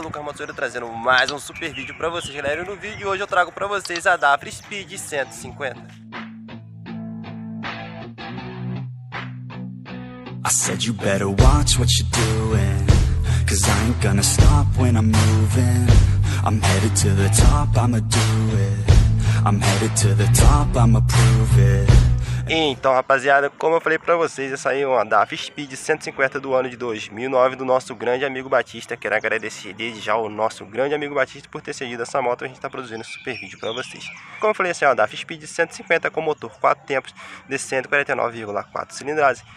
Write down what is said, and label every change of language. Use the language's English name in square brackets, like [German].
[Portuguese] Lucas Matsuro trazendo mais um super vídeo pra vocês, galera. E no vídeo de hoje eu trago pra vocês a Dapr Speed 150. [English] I said you better watch what you're doing, cause I ain't gonna stop when I'm moving. I'm headed to the top, I'ma do it. I'm headed to the top, I'ma prove it. [Portuguese] Então, rapaziada, como eu falei pra vocês, essa aí é uma Dapr Speed 150 do ano de 2009 do nosso grande amigo Batista. Quero agradecer desde já o nosso grande amigo Batista por ter cedido essa moto. A gente tá produzindo esse super vídeo pra vocês. Como eu falei, essa é uma Dapr Speed 150 com motor 4 tempos de 149,4 cilindradas.